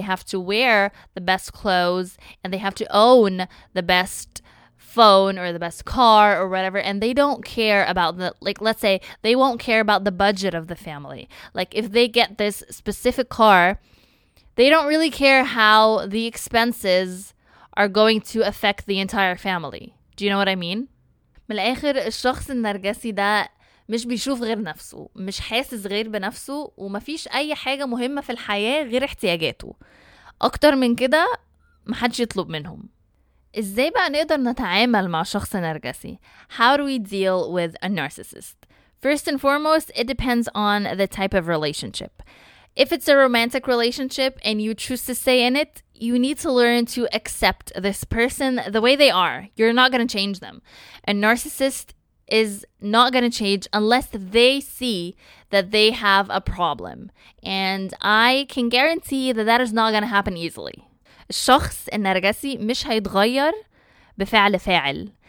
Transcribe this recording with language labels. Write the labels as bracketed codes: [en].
[en] They have to wear the best clothes and they have to own the best phone or the best car or whatever. And they don't care about the, like, let's say they won't care about the budget of the family. Like if they get this specific car, they don't really care how the expenses are going to affect the entire family. Do you know what I mean? [ar] من الآخر الشخص النرجسي ده مش بيشوف غير نفسه مش حاسس غير بنفسه ومفيش أي حاجة مهمة في الحياة غير احتياجاته أكتر من كده محدش يطلب منهم إزاي بقى نقدر نتعامل مع شخص نرجسي؟ [en] How do we deal with a narcissist? First and foremost, it depends on the type of relationship. If it's a romantic relationship and you choose to stay in it, you need to learn to accept this person the way they are. You're not going to change them. A narcissist is not going to change unless they see that they have a problem. And I can guarantee that that is not going to happen easily. [ar] الشخص النرجسي مش هيتغير بفعل فاعل.